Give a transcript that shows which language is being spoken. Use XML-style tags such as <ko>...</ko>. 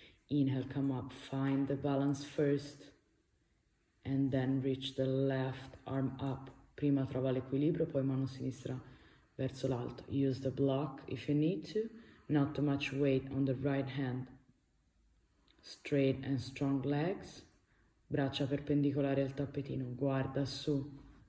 <en>Inhale, come up, find the balance first, and then reach the left arm up.</en> <it>Prima trova l'equilibrio, poi mano sinistra verso l'alto.</it> <en>Use the block if you need to, not too much weight on the right hand. Straight and strong legs,</en> <it>braccia perpendicolari al tappetino, guarda su.</it>